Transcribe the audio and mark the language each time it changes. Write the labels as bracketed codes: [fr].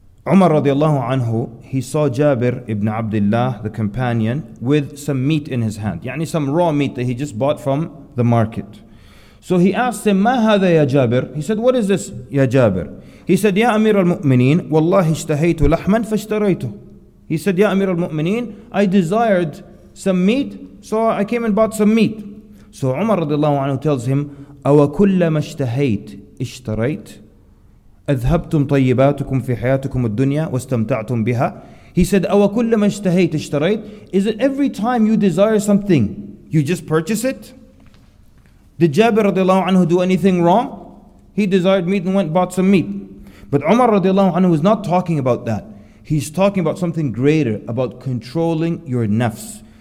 [en] Umar radiallahu anhu, he saw Jabir ibn Abdullah, the companion, with some meat in his hand. Yani some raw meat that he just bought from the market. So he asked him, [ar] مَا هَذَا يَا جَابِرْ? [en] He said, what is this, [ar] يَا جَابِرْ? [en] He said, [ar] يَا أَمِيرَ الْمُؤْمِنِينَ وَاللَّهِ اشْتَهَيْتُ لَحْمًا فَاشْتَرَيْتُهُ. [en] He said, Ya Amir al-Mu'mineen, I desired some meat, so I came and bought some meat. So Umar radiallahu anhu tells him, [ar] أَوَ كُلَّ مَا اشْتَهَيْتِ اشْتَرَيْتِ أَذْهَبْتُمْ طَيِّبَاتُكُمْ فِي حَيَاتُكُمُ الدُّنْيَا وَاسْتَمْتَعْتُمْ بِهَا. [en] He said, [ar] أَوَ كُلَّ مَا اشْتَهَيْتِ اشْتَرَيْتِ. [en] Is it every time you desire something, you just purchase it? Did Jabir radiallahu anhu do anything wrong? He desired meat and went and bought some meat. But Umar radiallahu anhu was not talking about that. He's talking about something greater, about controlling your nafs.